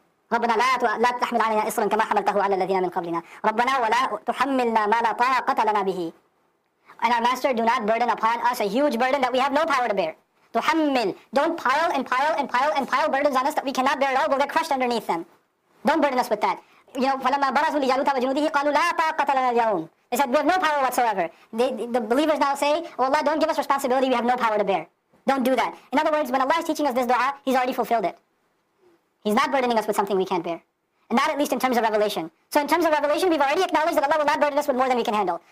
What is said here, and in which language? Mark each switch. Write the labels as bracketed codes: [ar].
[ar] رَبَّنَا لَا تَحْمِلْ عَلَيْنَا إِصْرًا كَمَا حَمَلْتَهُ عَلَى الَّذِينَ مِنْ قَبْلِنَا. رَبَّنَا وَلَا تُحَمِّلْنَا مَا لَا طَاقَةَ لَنَا بِهِ. [en] And our master, do not burden upon us a huge burden that we have no power to bear. [ar] تُحَمِّلْ. [en] Don't pile and pile and pile and pile burdens on us that we cannot bear at all. We'll get crushed underneath them. Don't burden us with that. You know, [ar] فَلَمَّا بَرَزُوا لِجَالُوتَ وَجُنُودِهِ قَالُوا لَا طَاقَةَ لَنَا الْيَوْمَ. [en] They said, we have no power whatsoever. The believers now say, oh Allah, don't give us responsibility. We have no power to bear. Don't do that. In other words, when Allah is teaching us this dua, He's already fulfilled it. He's not burdening us with something we can't bear. And not at least in terms of revelation. So in terms of revelation, we've already acknowledged that Allah will not burden us with more than we can handle.